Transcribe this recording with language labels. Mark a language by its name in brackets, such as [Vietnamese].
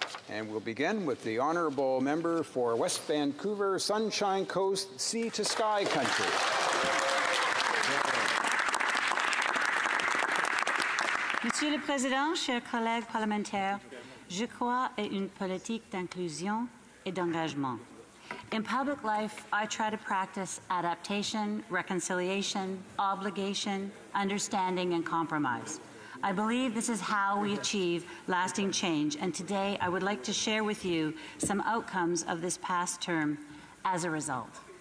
[English] And we'll begin with the honorable member for West Vancouver, Sunshine Coast, Sea to Sky Country. [French] Monsieur le Président, chers collègues parlementaires, je crois à une politique d'inclusion et d'engagement. [English] In public life, I try to practice adaptation, reconciliation, obligation, understanding, and compromise. I believe this is how we achieve lasting change, and today I would like to share with you some outcomes of this past term as a result.